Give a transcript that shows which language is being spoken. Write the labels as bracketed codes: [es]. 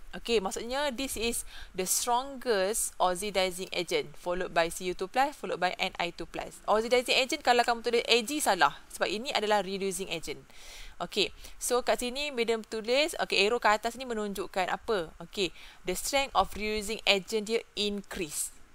[en] Okay, [ms] maksudnya [en] this is the strongest oxidizing agent, followed by Cu2+, followed by Ni2+. [ms] Oxidizing agent kalau kamu tulis Ag salah, sebab ini adalah reducing agent. Okay, so kat sini bila tulis, okay, arrow kat atas ni menunjukkan apa? [en] Okay, the strength of reducing agent [ms] dia [en] increase.